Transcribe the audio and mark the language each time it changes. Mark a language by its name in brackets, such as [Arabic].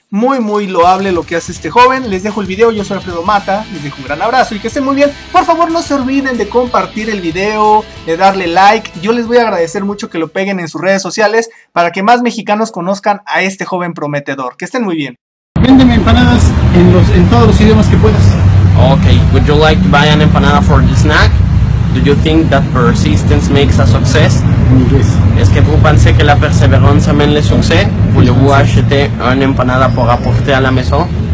[Spanish] Muy muy loable lo que hace este joven. Les dejo el video, yo soy Alfredo Mata, les dejo un gran abrazo y que estén muy bien. Por favor, no se olviden de compartir el video, de darle like. Yo les voy a agradecer mucho que lo peguen en sus redes sociales para que más mexicanos conozcan a este joven prometedor. Que estén muy bien. Véndeme empanadas en todos los idiomas que puedas. [English] Okay, would you like to buy an empanada for the snack? Do you think that persistence makes a success? Yes. [French] Est-ce que vous pensez que la persévérance amène le succès? Voulez-vous acheter une empanada pour apporter à la maison?